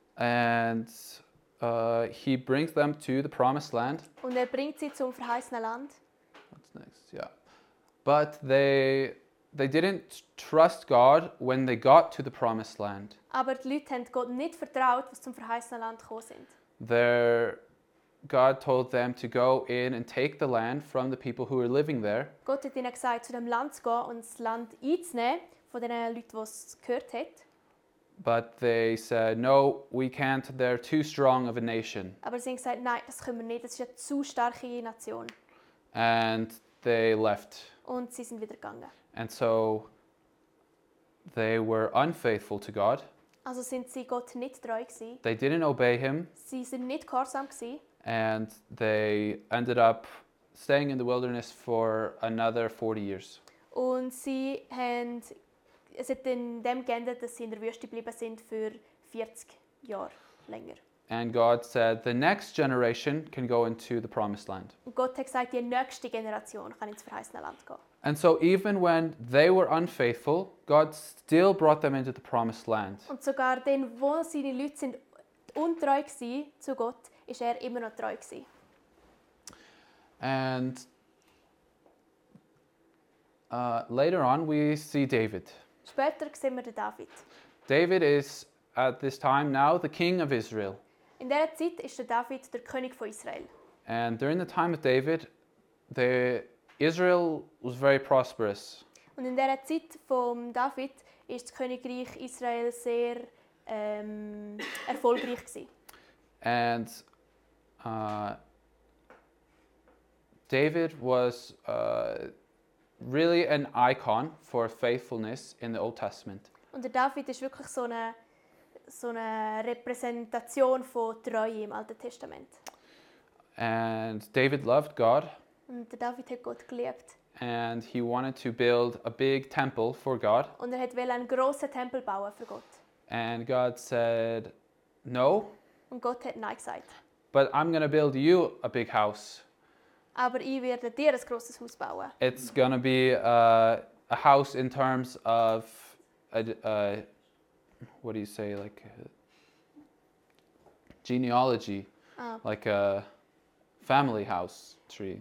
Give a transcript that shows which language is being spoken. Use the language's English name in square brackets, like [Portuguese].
[English] And he brings them to the promised land. [German] Und er bringt sie zum verheißenen Land. [English] Next, yeah. But they didn't trust God when they got to the promised land. [German] Aber die Leute haben Gott nicht vertraut, was zum verheißenen Land gekommen sind. [English] God told them to go in and take the land from the people who were living there. [German] Gott hat ihnen gesagt, zu dem Land zu gehen und das Land einzunehmen von den Leuten, was gehört hat. [English] But they said, no, we can't, they're too strong of a nation. [German] Aber sie haben gesagt, nein, das können wir nicht, das ist eine zu starke Nation. [English] And they left. [German] Und sie sind wieder gegangen. [English] And so they were unfaithful to God. [German] Also sind sie Gott nicht treu gewesen. [English] They didn't obey him. [German] Sie sind nicht gehorsam gewesen. [English] And they ended up staying in the wilderness for another 40 years. [German] Und es hat in dem geendet, dass sie in der Wüste geblieben sind für 40 Jahre länger. [English] And God said, the next generation can go into the promised land. [German] Gott hat gesagt, die nächste Generation kann ins verheißene Land gehen. [English] And so even when they were unfaithful, God still brought them into the promised land. [German] Und sogar denn, wo seine Leute sind untreu gsi zu Gott, ist er immer noch treu gsi. [English] And later on, we see David. [German] Später sehen wir den David. [English] David is at this time now the king of Israel. [German] In dieser Zeit ist David der König von Israel. [English] And during the time of David, Israel was very prosperous. [German] Und in dieser Zeit von David ist das Königreich Israel sehr erfolgreich gewesen. [English] And David was really an icon for faithfulness in the Old Testament. [German] Und der David ist wirklich so eine Repräsentation von Treue im Alten Testament. [English] And David loved God. [German] Und David hat Gott geliebt. [English] And he wanted to build a big temple for God. [German] Und er hat wollen einen grossen Tempel bauen für Gott. [English] And God said, no. [German] Und Gott hat nein gesagt. [English] But I'm going to build you a big house. [German] Aber ich werde dir ein grosses Haus bauen. [English] It's going to be a house in terms of, what do you say, like genealogy, like a family house tree.